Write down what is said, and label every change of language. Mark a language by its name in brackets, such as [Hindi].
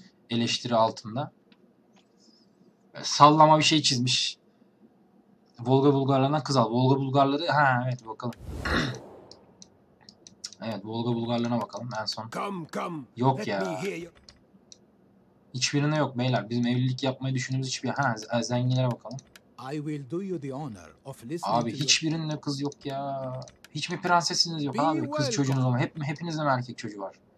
[Turkish] Eleştiri altında. Sallama bir şey çizmiş. Volga Bulgarlarından kız al. Volga Bulgarları ha evet bakalım. Evet Volga Bulgarlarına bakalım en son. Yok ya. Hiçbirine yok beyler. Bizim evlilik yapmayı düşündüğümüz hiçbir zenginlere bakalım. [English] I will do you the honor of listening. [Turkish] Abi hiçbirinde kız yok ya. Hiç mi prensesiniz yok abi? Kız çocuğunuz ama hepinizde mi erkek çocuğu var?